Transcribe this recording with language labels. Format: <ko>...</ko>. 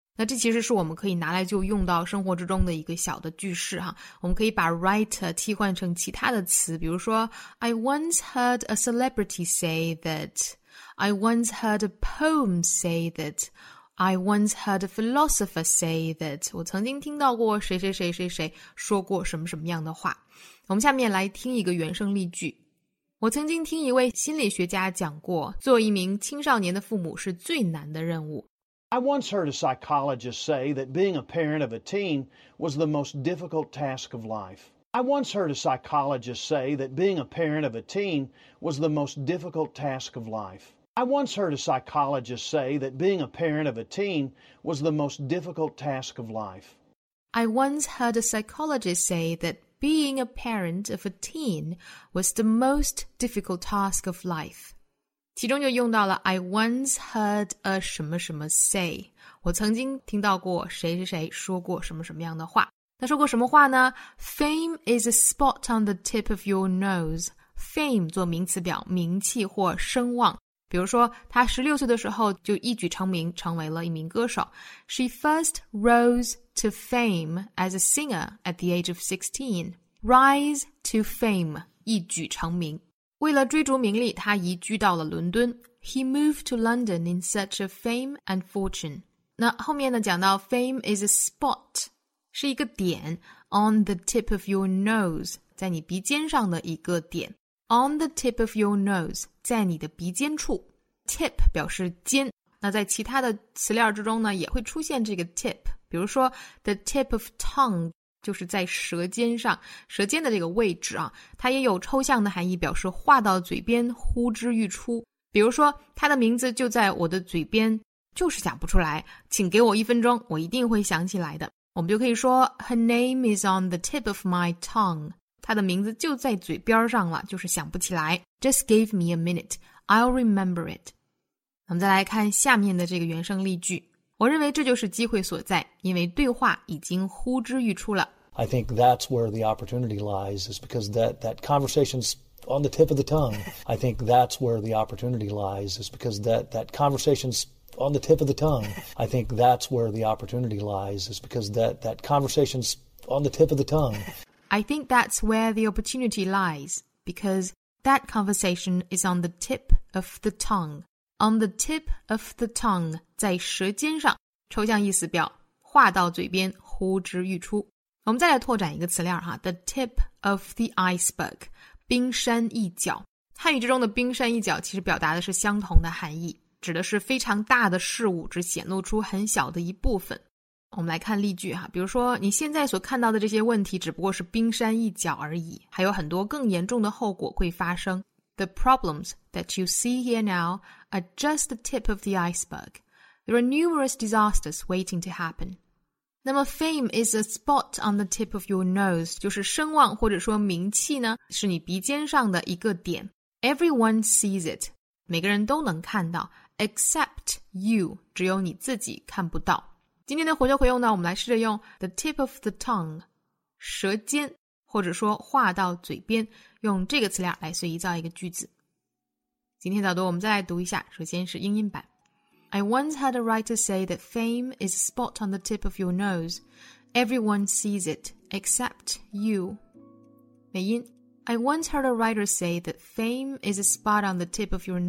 <zh>那这其实是我们可以拿来就用到生活之中的一个小的句式哈，我们可以把 writer 替换成其他的词，比如说</zh> <en>I once heard a celebrity say that， I once heard a poem say thatI once heard a philosopher say that.</en> <zh>我曾经听到过谁谁谁谁谁说过什么什么样的话。我们下面来听一个原声例句。我曾经听一位心理学家讲过，做一名青少年的父母是最难的任务。</zh> <en>I once heard a psychologist say that being a parent of a teen was the most difficult task of life. I once heard a psychologist say that being a parent of a teen was the most difficult task of life. I once heard a psychologist say that being a parent of a teen was the most difficult task of life. I once heard a psychologist say that being a parent of a teen was the most difficult task of life.</en> <zh>其中就用到了</zh> <en>I once heard a</en> <zh>什么什么 say. 我曾经听到过谁谁谁说过什么什么样的话。他说过什么话呢？</zh> <en>Fame is a spot on the tip of your nose.</en> <zh>Fame 做名词表名气或声望。比如说他16岁的时候就一举成名，成为了一名歌手。</zh> <en>She first rose to fame as a singer at the age of 16. Rise to fame,</en> <zh>一举成名。为了追逐名利，他移居到了伦敦。</zh> <en>He moved to London in search of fame and fortune.</en> <zh>那后面呢，讲到</zh> <en>fame is a spot,</en> <zh>是一个点</zh> <en>on the tip of your nose,</en> <zh>在你鼻尖上的一个点。</zh> <en>On the tip of your nose,</en> <zh>在你的鼻尖处。Tip 表示尖。那在其他的词料之中呢，也会出现这个 tip。比如说 ,</zh> <en>the tip of tongue,</en> <zh>就是在舌尖上，舌尖的这个位置啊，它也有抽象的含义，表示话到嘴边呼之欲出。比如说它的名字就在我的嘴边，就是想不出来，请给我一分钟，我一定会想起来的。我们就可以说 ,</zh> <en>her name is on the tip of my tongue.</en> <zh>他的名字就在嘴边上了，就是想不起来。</zh> <en>Just give me a minute, I'll remember it.</en> <zh>我们再来看下面的这个原声例句。我认为这就是机会所在，因为对话已经呼之欲出了。</zh> <en>I think that's where the opportunity lies, is because that conversation's on the tip of the tongue. I think that's where the opportunity lies, is because that conversation's on the tip of the tongue. I think that's where the opportunity lies, is because that conversation's on the tip of the tongue. I think that's where the opportunity lies, because that conversation is on the tip of the tongue. On the tip of the tongue,</en> <zh>在舌尖上，抽象意思表话到嘴边呼之欲出。我们再来拓展一个词链哈，</zh> <en>the tip of the iceberg,</en> <zh>冰山一角。汉语之中的冰山一角其实表达的是相同的含义，指的是非常大的事物只显露出很小的一部分。我们来看例句哈，比如说你现在所看到的这些问题只不过是冰山一角而已，还有很多更严重的后果会发生。</zh> <en>The problems that you see here now are just the tip of the iceberg. There are numerous disasters waiting to happen.</en> <zh>那么</zh> <en>fame is a spot on the tip of your nose,</en> <zh>就是声望或者说名气呢，是你鼻尖上的一个点。</zh> <en>Everyone sees it,</en> <zh>每个人都能看到。</zh> <en>Except you,</en> <zh>只有你自己看不到。今天的活学活用呢，我们来试着用</zh> <en>the tip of the tongue,</en> <zh>舌尖，或者说话到嘴边，用这个词量来随意造一个句子。今天早读我们再来读一下，首先是英音版。</zh> <en>I once had a writer say that fame is a spot on the tip of your nose. Everyone sees it, except you.</en> <zh>美音。</zh> <en>I once heard a writer say that fame is a spot on the tip of your nose. Everyone sees it, except you.</en> <zh>今天早读就是这样了。</zh>